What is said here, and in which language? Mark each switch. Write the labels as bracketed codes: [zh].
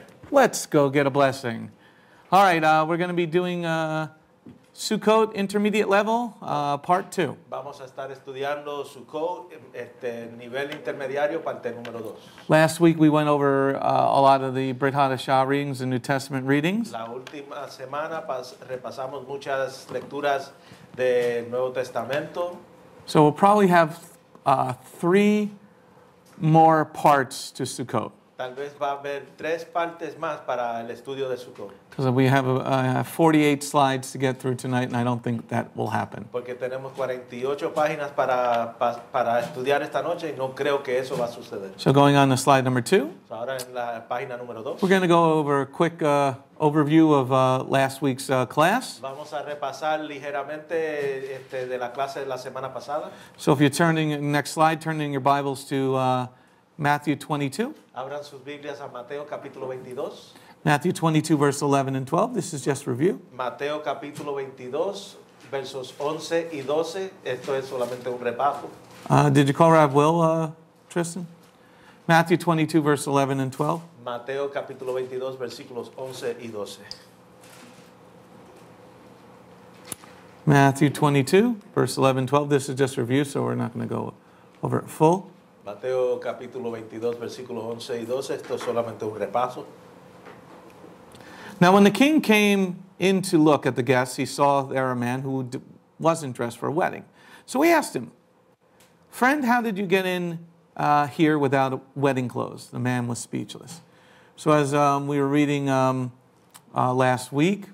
[en] Let's go get a blessing. All right, we're going to be doing Sukkot Intermediate Level, Part 2. [es] Vamos a estar estudiando Sukkot nivel intermediario, parte número 2. [en] Last week we went over a lot of the Brit Hadashah readings and New Testament readings. [es] La última semana repasamos muchas lecturas del Nuevo Testamento. [en] So we'll probably have three more parts to Sukkot. [es] Tal vez va a haber tres partes más para el estudio de Sukkot. [en] Because we have 48 slides to get through tonight, and I don't think that will happen. [es] Porque tenemos 48 páginas para estudiar esta noche, y no creo que eso va a suceder. [en] So going on to slide number 2. [es] So ahora en la página número 2. [en] We're going to go over a quick overview of last week's class. [es] Vamos a repasar ligeramente de la clase de la semana pasada. [en] So if you're turning, next slide, turning your Bibles to Matthew 22. [es] Abran sus Biblias a Mateo capítulo 22. [en] Matthew 22 verse 11 and 12. This is just review. [es] Mateo capítulo 22 versos 11 y 12. Esto es solamente un repaso. [en] Did you call Rav Will, Tristan? Matthew 22 verse 11 and 12. [es] Mateo capítulo 22 versículos 11 y 12. [en] Matthew 22 verse 11 and 12. This is just review, so we're not going to go over it full. [es] Mateo capítulo 22 versículos 11 y 12, esto es solamente un repaso. [en] Now when the king came in to look at the guests, he saw there a man who wasn't dressed for a wedding. So he asked him, "Friend, how did you get in here without wedding clothes?" The man was speechless. So as we were reading last week,